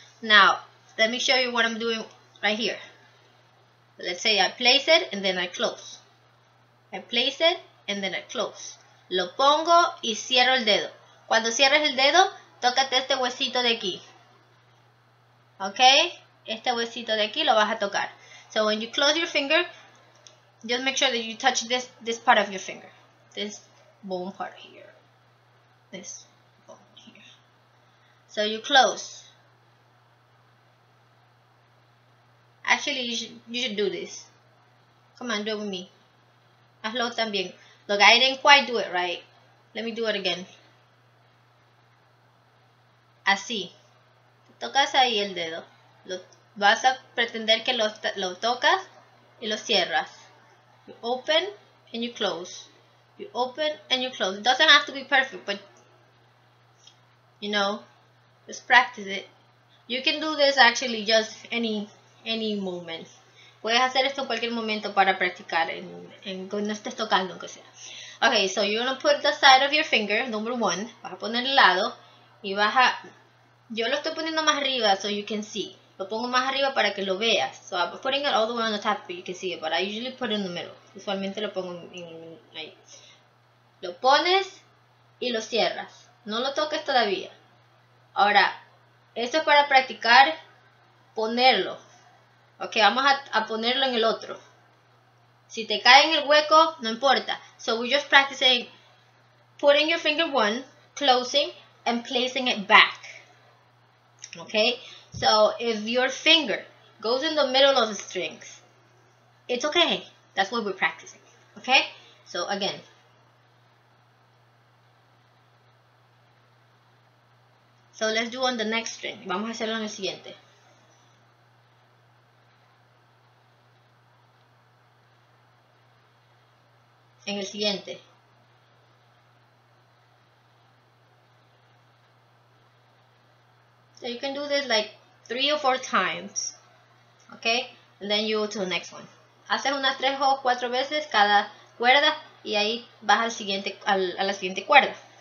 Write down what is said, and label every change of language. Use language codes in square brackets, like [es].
[en] Now, let me show you what I'm doing right here. Let's say I place it and then I close. I place it and then I close. [es] Lo pongo y cierro el dedo. Cuando cierres el dedo, tócate este huesito de aquí. Okay? Este huesito de aquí lo vas a tocar. [en] So when you close your finger, just make sure that you touch this part of your finger. This bone part here. This bone here. So you close. Actually, you should do this. Come on, do it with me. [es] Hazlo también. [en] Look, I didn't quite do it right. Let me do it again. [es] Así. Tocas ahí el dedo. Vas a pretender que lo tocas y lo cierras. [en] You open and you close. You open and you close. It doesn't have to be perfect, but, you know, just practice it. You can do this actually just any moment. [es] Puedes hacer esto en cualquier momento para practicar en cuando estés tocando, aunque sea. [en] Okay, so you're gonna put the side of your finger, number 1. [es] Vas a poner el lado y vas a... Yo lo estoy poniendo más arriba, [en] so you can see. [es] Lo pongo más arriba para que lo veas. [en] So I'm putting it all the way on the top, but you can see it. But I usually put it in the middle. [es] Usualmente lo pongo ahí. Lo pones y lo cierras. No lo toques todavía. Ahora, esto es para practicar ponerlo. Ok, vamos a ponerlo en el otro. Si te cae en el hueco, no importa. [en] So we're just practicing putting your finger one, closing, and placing it back. Okay? So if your finger goes in the middle of the strings, it's okay. That's what we're practicing. Okay? So again. So let's do on the next string. [es] Vamos a hacerlo en el siguiente. En el siguiente. [en] So you can do this like 3 or 4 times. Okay? And then you go to the next one. [es] Haces unas 3 o 4 veces cada cuerda y ahí vas al siguiente, a la siguiente cuerda.